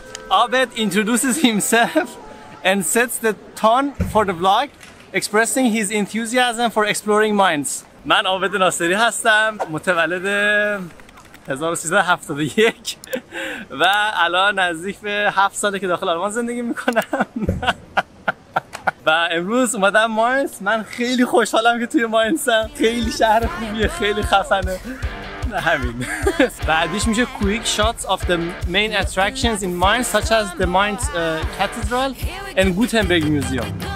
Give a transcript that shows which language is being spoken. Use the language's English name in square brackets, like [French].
[English] Abed introduces himself and sets the tone for the vlog expressing his enthusiasm for exploring mines. [Persian] من عابد ناصری هستم، متولد 1371 و الان نزدیک به 7 ساله که داخل آلمان زندگی میکنم و امروز اومدم ماینز. من خیلی خوشحالم که توی ماینزم، خیلی شهر خوبیه، خیلی خفنه. همین. بعدیش میشه [English] quick shots of the main attractions in Mainz such as the Mainz Cathedral and Gutenberg Museum.